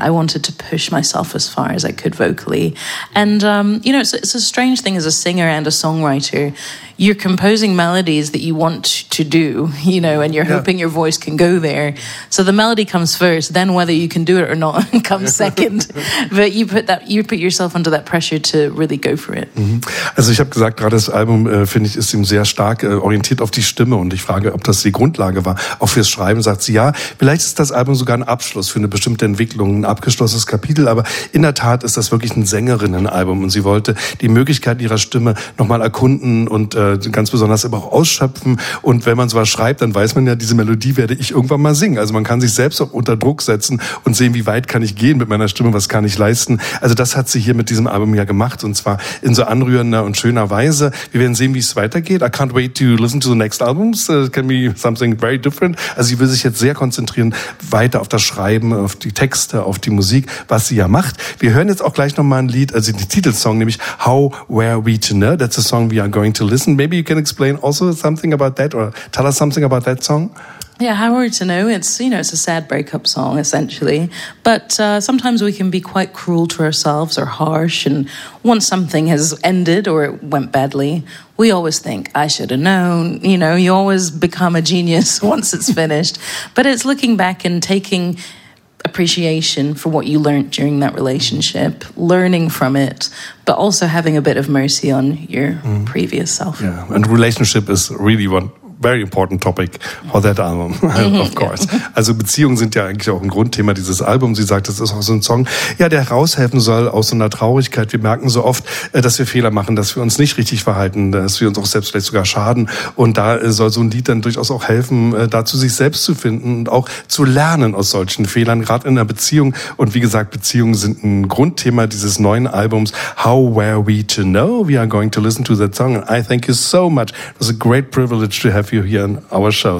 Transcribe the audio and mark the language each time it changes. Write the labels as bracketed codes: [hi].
[en] I wanted to push myself as far as I could vocally. And, you know, it's a strange thing as a singer and a songwriter. You're composing melodies that you want to do, you know, and you're hoping your voice can go there. So the melody comes first, then whether you can do it or not comes second. But you put yourself under that pressure to really go for it. [de] Also ich habe gesagt, gerade das Album, finde ich, ist eben sehr stark orientiert auf die Stimme. Und ich frage, ob das die Grundlage war, auch fürs Schreiben. Sagt sie, ja, vielleicht ist das Album sogar ein Abschluss für eine bestimmte Entwicklung, ein abgeschlossenes Kapitel. Aber in der Tat ist das wirklich ein Sängerinnenalbum. Und sie wollte die Möglichkeit ihrer Stimme nochmal erkunden und ganz besonders immer auch ausschöpfen. Und wenn man sowas schreibt, dann weiß man ja, diese Melodie werde ich irgendwann mal singen. Also man kann sich selbst auch unter Druck setzen und sehen, wie weit kann ich gehen mit meiner Stimme, was kann ich leisten. Also das hat sie hier mit diesem Album ja gemacht und zwar in so anrührender und schöner Weise. Wir werden sehen, wie es weitergeht. [en] I can't wait to listen to the next albums. It can be something very different. [de] Also sie will sich jetzt sehr konzentrieren, weiter auf das Schreiben, auf die Texte, auf die Musik, was sie ja macht. Wir hören jetzt auch gleich nochmal ein Lied, also den Titelsong, nämlich How Were We to Know? [en] That's the song we are going to listen. Maybe you can explain also something about that or tell us something about that song. Yeah, How Were We to Know? It's, you know, it's a sad breakup song, essentially. But sometimes we can be quite cruel to ourselves or harsh. And once something has ended or it went badly, we always think, I should have known. You know, you always become a genius once it's finished. But it's looking back and taking appreciation for what you learned during that relationship, learning from it, but also having a bit of mercy on your previous self. Yeah, and relationship is really one very important topic for that album, of course. [de] Also Beziehungen sind ja eigentlich auch ein Grundthema dieses Albums. Sie sagt, das ist auch so ein Song, ja, der raushelfen soll aus so einer Traurigkeit. Wir merken so oft, dass wir Fehler machen, dass wir uns nicht richtig verhalten, dass wir uns auch selbst vielleicht sogar schaden. Und da soll so ein Lied dann durchaus auch helfen, dazu sich selbst zu finden und auch zu lernen aus solchen Fehlern, gerade in einer Beziehung. Und wie gesagt, Beziehungen sind ein Grundthema dieses neuen Albums. [en] How Were We to Know? We are going to listen to that song. And I thank you so much. It was a great privilege to have you here on our show.